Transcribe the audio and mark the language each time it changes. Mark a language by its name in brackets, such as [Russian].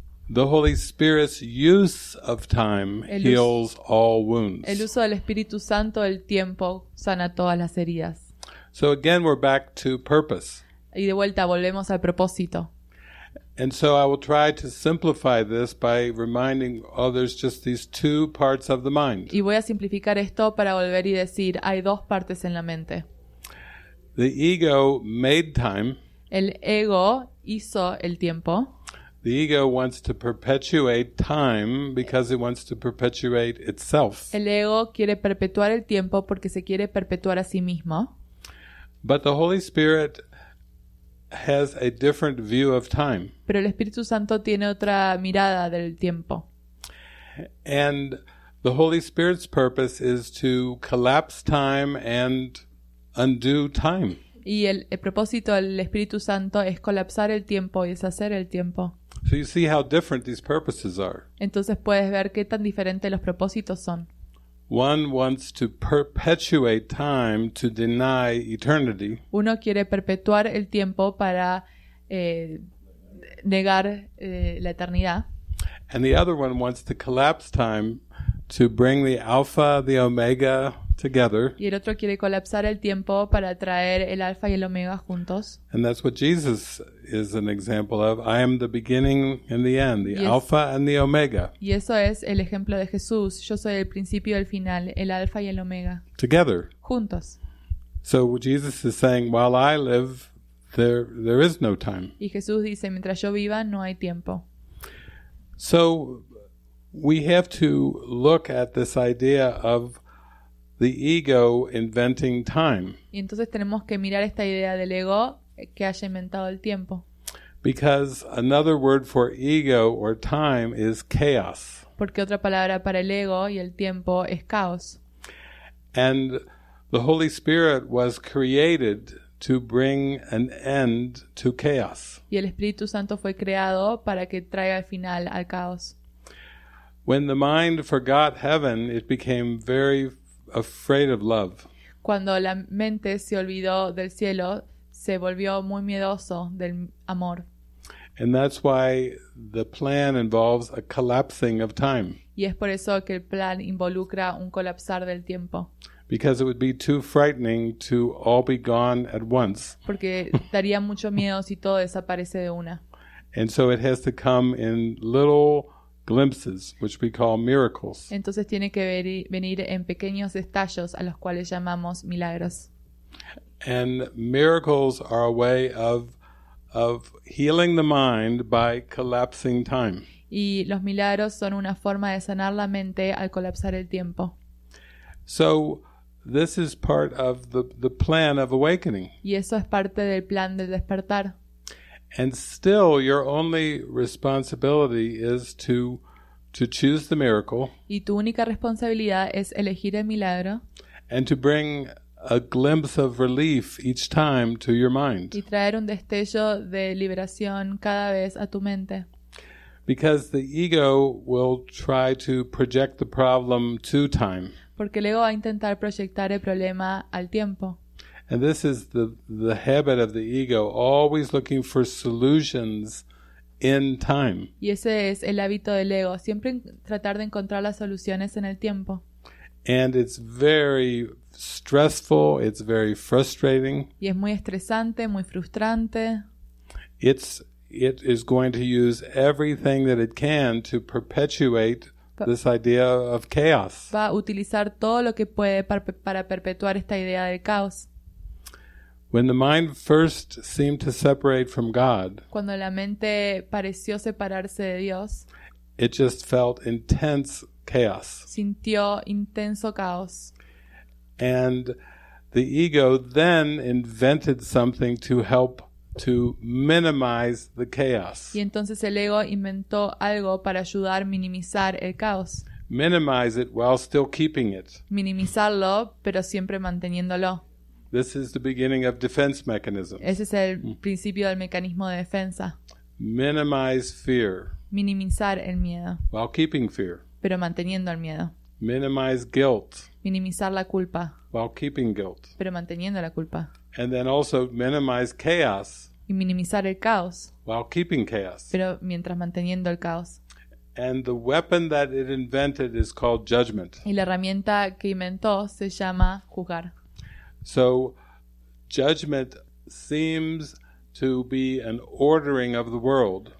[English] The Holy Spirit's use of time heals all wounds. [Spanish] El uso del Espíritu Santo del tiempo sana todas las heridas. [English] So again, we're back to purpose. [Spanish] Y de vuelta volvemos al propósito. [English] And so I will try to simplify this by reminding others just these two parts of the mind. [Spanish] Y voy a simplificar esto para volver y decir hay dos partes en la mente. [English] The ego made time. [Spanish] El ego hizo el tiempo. [English] The ego wants to perpetuate time because it wants to perpetuate itself. [Spanish] El ego quiere perpetuar el tiempo porque se quiere perpetuar a sí mismo. [English] But the Holy Spirit has a different view of time. [Spanish] Pero el Espíritu Santo tiene otra mirada del tiempo. [English] And the Holy Spirit's purpose is to collapse time and undo time. [Spanish] Y el propósito del Espíritu Santo es colapsar el tiempo y deshacer el tiempo. [English] So you see how different these purposes are. [Spanish] Entonces puedes ver qué tan diferentes los propósitos son. [English] One wants to perpetuate time to deny eternity. [Spanish] Uno quiere perpetuar el tiempo para negar la eternidad. [English] And the other one wants to collapse time to bring the alpha, the omega together. [Spanish] Y el otro quiere colapsar el tiempo para traer el alfa y el omega juntos. [English] And that's what Jesus is an example of. I am the beginning and the end, the alpha and the omega. [Spanish] Y eso es el ejemplo de Jesús. Yo soy el principio y el final, el alfa y el omega. [English] Together. [Spanish] Juntos. [English] So Jesus is saying, while I live, there is no time. [Spanish] Y Jesús dice, mientras yo viva, no hay tiempo. [English] So we have to look at this idea of the ego inventing time. [Spanish] Y entonces tenemos que mirar esta idea del ego que haya inventado el tiempo. [English] Because another word for ego or time is chaos. [Spanish] Porque otra palabra para el ego y el tiempo es caos. [English] And the Holy Spirit was created to bring an end to chaos. [Spanish] Y el Espíritu Santo fue creado para que traiga el final al caos. [English] When the mind forgot heaven, it became very afraid of love. [Spanish] Cuando la mente se olvidó del cielo, se volvió muy miedoso del amor. [English] And that's why the plan involves a collapsing of time. [Spanish] Y es por eso que el plan involucra un colapsar del tiempo. [English] Because it would be too frightening to all be gone at once. [Spanish] Porque daría mucho miedo si todo desaparece de una. [English] And so it has to come in little glimpses, which we call miracles. [Spanish] Entonces tiene que venir en pequeños destellos a los cuales llamamos milagros. [English] And miracles are a way of healing the mind by collapsing time. [Spanish] Y los milagros son una forma de sanar la mente al colapsar el tiempo. [English] So this is part of the plan of awakening. [Spanish] Y eso es parte del plan de despertar. [English] And still, your only responsibility is to choose the miracle. [Spanish] Y tu única responsabilidad es elegir el milagro. [English] And to bring a glimpse of relief each time to your mind. [Spanish] Y traer un destello de liberación cada vez a tu mente. [English] Because the ego will try to project the problem to time. [Spanish] Porque el ego va a intentar proyectar el problema al tiempo. [English] And this is the habit of the ego, always looking for solutions in time. [Spanish] Y ese es el hábito del ego, siempre tratar de encontrar las soluciones en el tiempo. [English] And it's very stressful, it's very frustrating. [Spanish] Y es muy estresante, muy frustrante. [English] It is going to use everything that it can to perpetuate this idea of chaos. [Spanish] Va a utilizar todo lo que puede para perpetuar esta idea del caos. [English] When the mind first seemed to separate from God, [Spanish] cuando la mente pareció separarse de Dios, [English] it just felt intense chaos. [Spanish] Sintió intenso caos. [English] And the ego then invented something to help to minimize the chaos. [Spanish] Y entonces el ego inventó algo para ayudar a minimizar el caos. [English] Minimize it while still keeping it. [Spanish] Minimizarlo, pero siempre manteniéndolo. [English] This is the beginning of defense mechanisms. [Spanish] Ese es el principio del mecanismo de defensa. [English] Minimize fear. [Spanish] Minimizar el miedo. [English] While keeping fear. [Spanish] Pero manteniendo el miedo. [English] Minimize guilt. [Spanish] Minimizar la culpa. [English] While keeping guilt. [Spanish] Pero manteniendo la culpa. [English] And then also minimize chaos. [Spanish] Y minimizar el caos. [English] While keeping chaos. [Spanish] Pero mientras manteniendo el caos. [English] And the weapon that it invented is called judgment. [Spanish] Y la herramienta que inventó se llama juzgar. [English] So judgment seems to be an ordering of the world.